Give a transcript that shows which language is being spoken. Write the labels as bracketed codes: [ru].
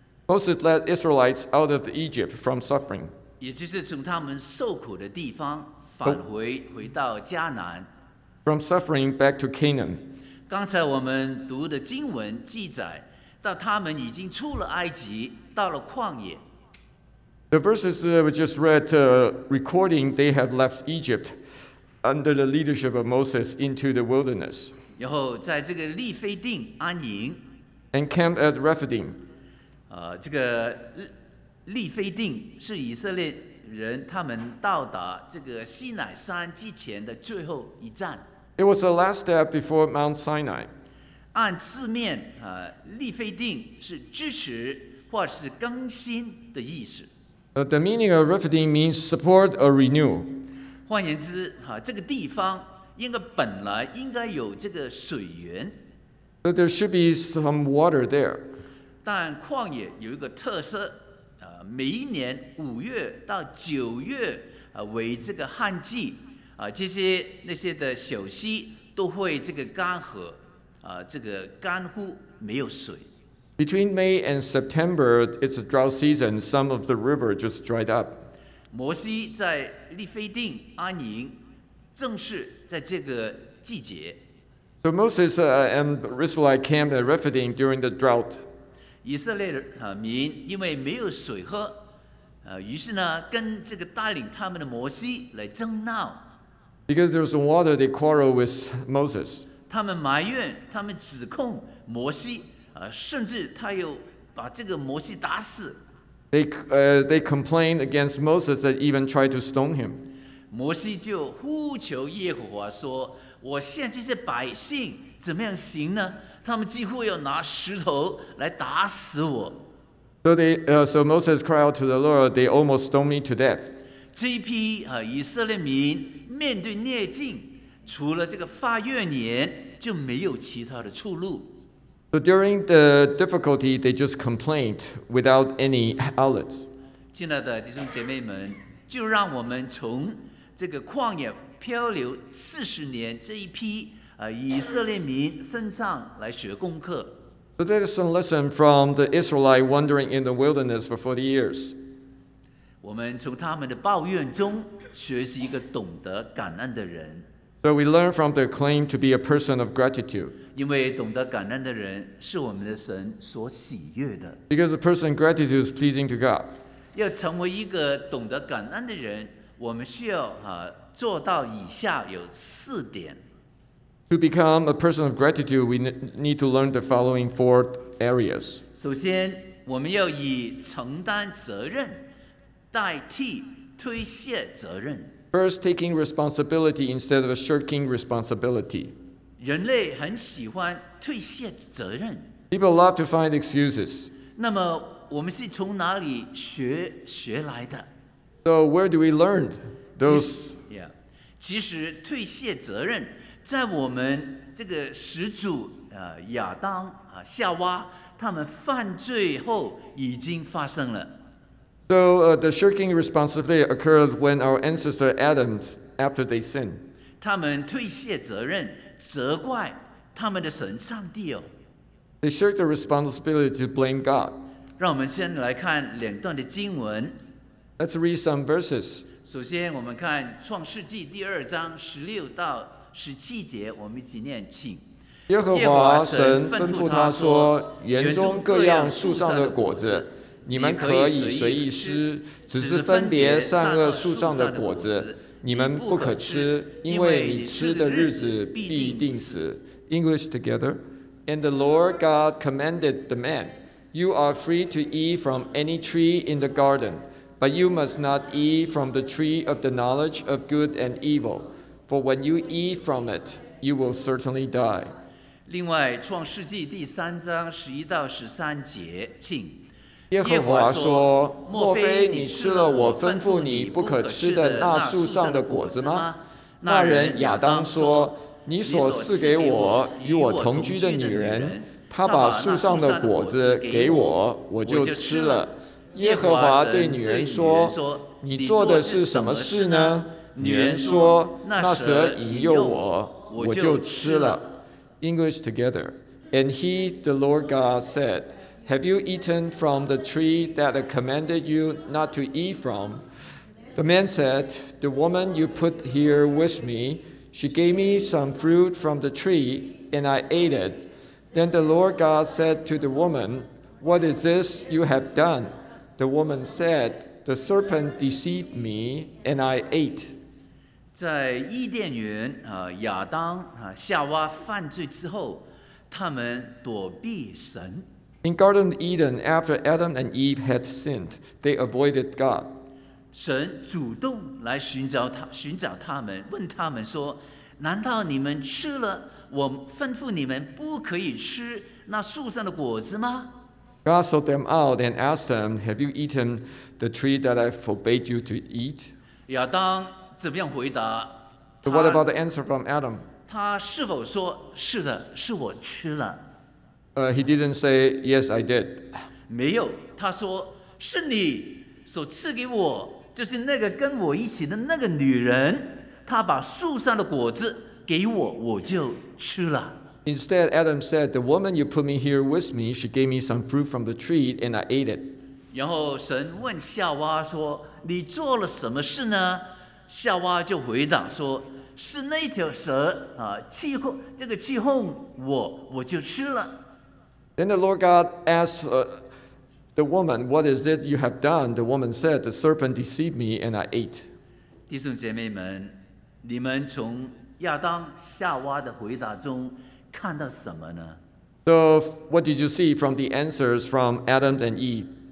[en] Moses led Israelites out of Egypt from suffering, [zh] 也就是从他们受苦的地方返回回到迦南 [en] from suffering back to Canaan. [zh] 刚才我们读的经文记载到他们已经出了埃及到了旷野 [en] The verses that we just read, recording, they had left Egypt under the leadership of Moses into the wilderness. [zh] 然后在这个利非定安营 [en] and camped at Rephidim. [zh] 这个利非定是以色列人他们到达这个西乃山之前的最后一站 [en] It was the last step before Mount Sinai. [zh] 按字面，利非定是支持或是更新的意思。 [en] The meaning of Rephidim means support or renew. [zh] 换言之，这个地方应该本来应该有这个水源。 [en] But there should be some water there. [zh] 但旷野有一个特色，每一年五月到九月，为这个旱季，这些那些的小溪都会这个干涸，这个干枯，没有水。 [en] Between May and September, it's a drought season. Some of the river just dried up. [zh] 摩西在利非定安营，正是在这个季节。 [en] So Moses and the Israelite camped at Rephidim during the drought. [zh] 以色列民因为没有水喝，于是呢，跟这个带领他们的摩西来争闹。 [en] Because there's no water, they quarrel with Moses. [zh] 他们埋怨，他们指控摩西。甚至他又把这个摩西打死。 [en] They complain against Moses that even tried to stone him. [zh] 摩西就呼求耶和华说：“我现在这些百姓怎么样行呢？他们几乎要拿石头来打死我。” [en] So Moses cried out to the Lord. They almost stoned me to death. [zh] 这一批以色列民面对逆境，除了这个发怨言，就没有其他的出路。 [en] So during the difficulty, they just complained without any outlets. [zh] 亲爱的弟兄姐妹们，就让我们从这个旷野漂流四十年这一批以色列民身上来学功课。 [en] So that is a lesson from the Israelite wandering in the wilderness for 40 years. [zh] 我们从他们的抱怨中学习一个懂得感恩的人。 [en] So we learn from their claim to be a person of gratitude. [zh] 因为懂得感恩的人是我们的神所喜悦的。 [en] Because a person gratitude is pleasing to God. [zh] 要成为一个懂得感恩的人，我们需要做到以下有四点。 [en] To become a person of gratitude, we need to learn the following four areas. [zh] 首先，我们要以承担责任代替推卸责任。 [en] First, taking responsibility instead of shirking responsibility. [zh] 人类很喜欢推卸责任。 [en] People love to find excuses. [zh] 那么我们是从哪里学来的？ [en] So where do we learn those? [zh] 其实推卸责任在我们这个始祖亚当夏娃他们犯罪后已经发生了。 [en] So the shirking responsibility occurred when our ancestor Adam, after they sinned. [zh] 他们推卸责任，责怪他们的神上帝哦。 [en] They shirked the responsibility to blame God. [zh] 让我们先来看两段的经文。 [en] Let's read some verses. [zh] 首先，我们看《创世纪》第二章16-17节，我们一起念，请。耶和华神吩咐他说：“园中各样树上的果子。” 你们可以随意吃，只是分别善恶树上的果子，你们不可吃，因为你吃的日子必定死。 [en] English together. And the Lord God commanded the man, You are free to eat from any tree in the garden, but you must not eat from the tree of the knowledge of good and evil. For when you eat from it, you will certainly die. [zh] 另外，《创世纪》第三章十一到十三节，请。耶和华说：“莫非你吃了我吩咐你不可吃的那树上的果子吗？” 那人亚当说：“你所赐给我与我同居的女人，她把树上的果子给我，我就吃了。” 耶和华对女人说：“你做的是什么事呢？” 女人说：“那蛇引诱我，我就吃了。” [en] English together. And he, the Lord God, said,Have you eaten from the tree that I commanded you not to eat from? The man said, The woman you put here with me, she gave me some fruit from the tree, and I ate it. Then the Lord God said to the woman, What is this you have done? The woman said, The serpent deceived me, and I ate. [zh] 在伊甸园，亚当，夏娃犯罪之后，他们躲避神。 [en] In Garden of Eden, after Adam and Eve had sinned, they avoided God. [zh] 神主动来寻找他们，问他们说：“难道你们吃了我吩咐你们不可以吃那树上的果子吗？” [en] God sought them out and asked them, "Have you eaten the tree that I forbade you to eat?" [zh] 亚当怎么样回答 [en] ？So what about the answer from Adam? [zh] 他是否说：“是的，是我吃了。” [en] He didn't say, yes, I did. [zh] 没有，他说，是你所赐给我，就是那个跟我一起的那个女人，她把树上的果子给我，我就吃了。 [en] Instead, Adam said, the woman you put me here with me, she gave me some fruit from the tree, and I ate it. [zh] 然后神问夏娃说，你做了什么事呢？夏娃就回答说，是那条蛇，气哄我，我就吃了。 [en] Then the Lord God asked the woman, What is it you have done? The woman said, The serpent deceived me and I ate. [zh] 弟兄姐妹们，你们从亚当、夏娃的回答中看到什么呢？ [en] So what did you see from the answers from Adam and Eve?